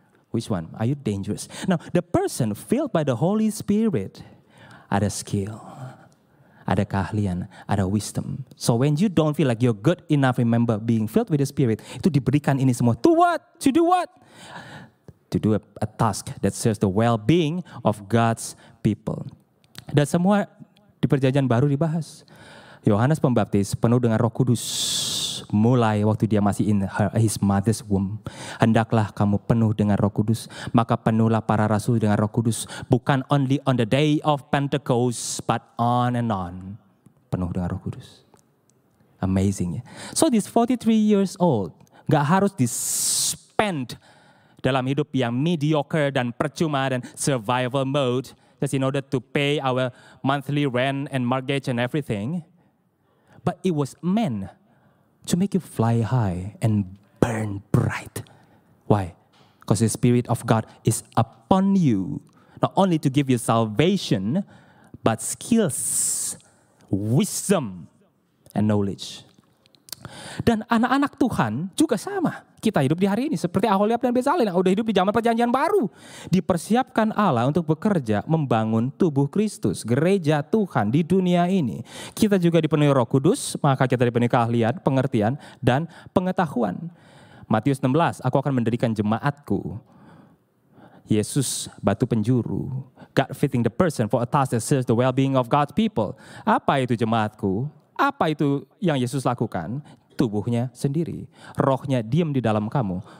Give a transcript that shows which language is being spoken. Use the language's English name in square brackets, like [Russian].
[English] Which one? Are you dangerous? Now, the person filled by the Holy Spirit [Indonesian] ada skill, ada keahlian, ada wisdom. [English] So when you don't feel like you're good enough, remember, being filled with the Spirit, [Indonesian] itu diberikan ini semua. [English] To what? To do what? To do a task that serves the well-being of God's people. [Indonesian] Dan semua di perjanjian baru dibahas. Yohanes Pembaptis penuh dengan Roh Kudus. Mulai waktu dia masih [English] in his mother's womb. [Indonesian] Hendaklah kamu penuh dengan Roh Kudus. Maka penuhlah para rasul dengan Roh Kudus. [English] Bukan only on the day of Pentecost, but on and on. [Indonesian] Penuh dengan Roh Kudus. [English] Amazing, ya. So this 43 years old, [Indonesian] gak harus di-spend dalam hidup yang mediocre dan percuma dan [English] survival mode just in order to pay our monthly rent and mortgage and everything. But it was meant to make you fly high and burn bright. Why? Because the Spirit of God is upon you, not only to give you salvation, but skills, wisdom, and knowledge. [Indonesian] Dan anak-anak Tuhan juga sama. Kita hidup di hari ini seperti Aholiab dan Bezalel yang udah hidup di zaman perjanjian baru. Dipersiapkan Allah untuk bekerja membangun tubuh Kristus, gereja Tuhan di dunia ini. Kita juga dipenuhi Roh Kudus, maka kita dipenuhi keahlian, pengertian, dan pengetahuan. Matius 16, aku akan mendirikan jemaatku. Yesus batu penjuru. [English] God fitting the person for a task that serves the well-being of God's people. [Indonesian] Apa itu jemaatku? Apa itu yang Yesus lakukan? Tubuhnya sendiri. Rohnya diam di dalam kamu.